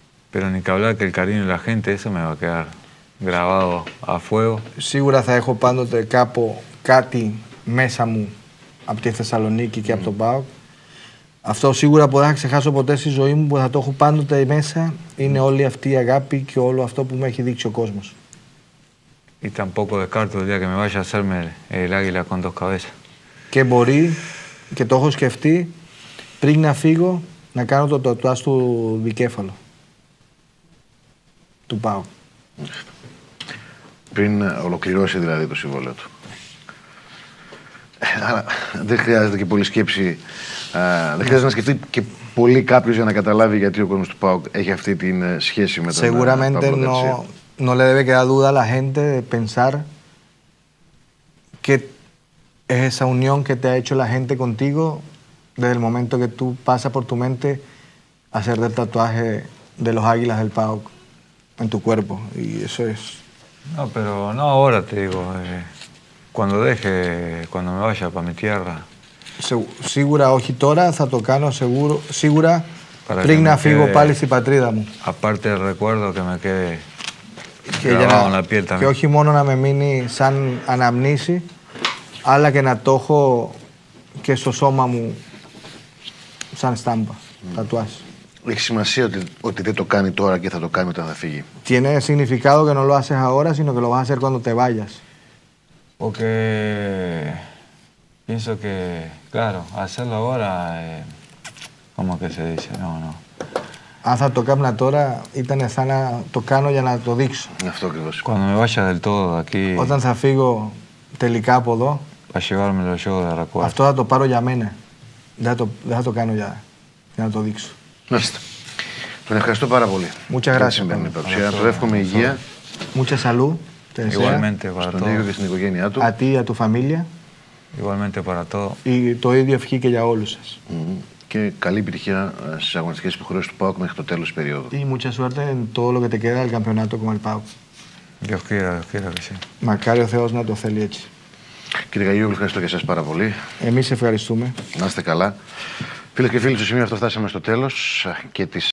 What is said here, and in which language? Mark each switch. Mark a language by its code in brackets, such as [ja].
[es] Pero ni que hablar que el cariño de la gente, eso me va a quedar grabado a fuego. [el] Σίγουρα θα έχω πάντοτε κάπου κάτι μέσα μου από τη Θεσσαλονίκη και από τον ΠΑΟΚ. Αυτό σίγουρα που δεν θα ξεχάσω ποτέ στη ζωή μου, που θα το έχω πάντοτε μέσα, είναι όλη αυτή η αγάπη και όλο αυτό που με έχει δείξει ο κόσμος. [es] Y tampoco descarto el día que me vaya a hacerme el águila con dos cabezas. [el] Και μπορεί, και το έχω σκεφτεί, πριν να φύγω, να κάνω το τατουάζ του δικέφαλο. Του πάω. Πριν ολοκληρώσει δηλαδή το συμβόλαιο του. Άρα δεν χρειάζεται και πολύ σκέψη. Δεν χρειάζεται να σκεφτεί και πολύ κάποιος για να καταλάβει γιατί ο κόσμος του ΠΑΟΚ έχει αυτή τη σχέση με τον Παύλο Γκαρσία. [es] Seguramente no le debe quedar duda a la gente de pensar que es esa unión que te ha hecho la gente contigo desde el momento que tú pasas por tu mente hacer el tatuaje de los águilas del ΠΑΟΚ en tu cuerpo. Y eso es. No, pero no ahora, te digo. Cuando me vaya para mi tierra. [el] Σίγουρα όχι τώρα, θα το κάνω σίγουρα πριν να φύγω πάλι στην πατρίδα μου. [es] Aparte del recuerdo que me quede grabado en la piel también. [el] Και όχι μόνο να με μείνει σαν αναμνήση, αλλά και να το έχω και στο σώμα μου σαν στάμπα, τατουάζ. Έχει σημασία ότι δεν το κάνει τώρα και θα το κάνει όταν θα φύγει. [es] Tiene significado que no lo haces ahora, sino que lo vas a hacer cuando te vayas. Porque pienso que, claro, hacerlo ahora, ¿cómo que se dice? No, no. [el] Αν θα το κάνω τώρα, ήταν σαν να το κάνω για να το δείξω. Αυτό ακριβώς. [es] Cuando me vaya del todo aquí. [el] Όταν θα φύγω τελικά από εδώ. [es] Para llevármelo yo de recuerdo. [el] Αυτό θα το πάρω για μένα. Δεν θα το κάνω για να το δείξω. Μάλιστα. Τον ευχαριστώ πάρα πολύ. [es] Muchas gracias. [el] Την σημερινή παρουσία. Του εύχομαι υγεία. [es] Mucha salud. Igualmente para todos. [el] Στον ίδιο και στην οικογένειά του. [es] A ti y a tu familia. Igualmente para todos. [el] Y το ίδιο ευχή και για όλους σας. Και καλή επιτυχία στις αγωνιστικές υποχρεώσεις του ΠΑΟΚ μέχρι το τέλος της περίοδου. [es] Y mucha suerte en todo lo que te queda del campeonato con el ΠΑΟΚ. Dios quiera, Dios quiera que sí. [el] Μακάρι ο Θεός να το θέλει έτσι. Κύριε Γαγιόγλου, ευχαριστώ και εσάς πάρα πολύ. Εμείς ευχαριστούμε. Να είστε καλά. Φίλες και φίλοι, στο σημείο αυτό φτάσαμε στο τέλος και της